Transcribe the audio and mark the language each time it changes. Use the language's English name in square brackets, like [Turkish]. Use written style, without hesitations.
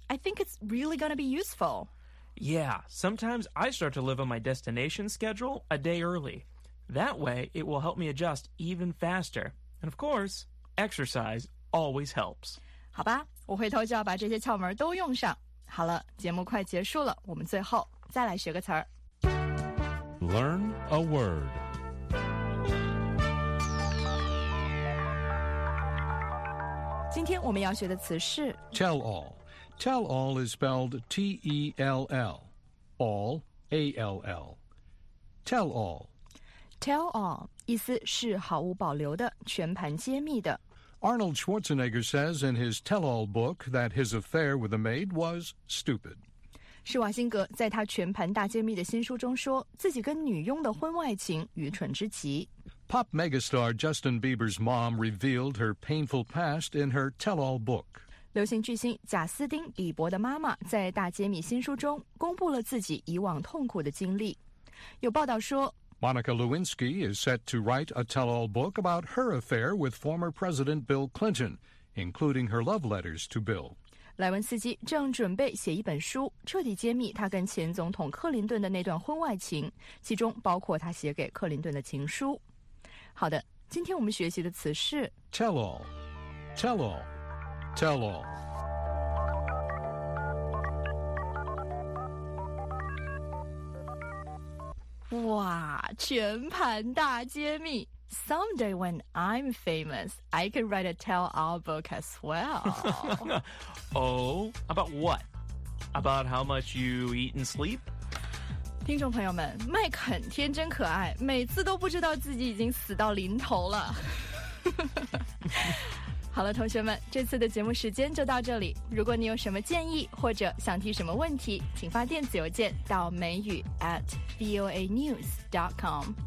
[English] I think it's really going to be useful. Yeah, sometimes I start to live on my destination schedule a day early. That way, it will help me adjust even faster. And of course, exercise always helps. [Chinese] 好吧，我回头就要把这些窍门都用上。好了，节目快结束了，我们最后再来学个词儿。 [English] Learn a word. [Chinese] 今天我们要学的词是 [English] tell all. Tell all is spelled T-E-L-L. All, A-L-L. Tell all. [Chinese] Tell all, 意思是毫无保留的，全盘揭秘的。 [English] Arnold Schwarzenegger says in his tell-all book that his affair with a maid was stupid. [Chinese] 施瓦辛格在他全盘大揭秘的新书中说，自己跟女佣的婚外情愚蠢之极。 [English] Pop megastar Justin Bieber's mom revealed her painful past in her tell-all book. [Chinese] 流行巨星贾斯汀·比伯的妈妈在大揭秘新书中公布了自己以往痛苦的经历。有报道说 [English] ，Monica Lewinsky is set to write a tell-all book about her affair with former President Bill Clinton, including her love letters to Bill. [Chinese] 莱文斯基正准备写一本书，彻底揭秘他跟前总统克林顿的那段婚外情，其中包括他写给克林顿的情书。好的，今天我们学习的词是 [English] tell all, tell all, tell all. [Chinese] 哇，全盘大揭秘！ [English] Someday when I'm famous, I can write a tell-all book as well. Oh, about what? About how much you eat and sleep? [Chinese] 听众朋友们，麦肯天真可爱，每次都不知道自己已经死到临头了。好了，同学们，这次的节目时间就到这里。如果你有什么建议或者想提什么问题，请发电子邮件到美语 @voanews.com.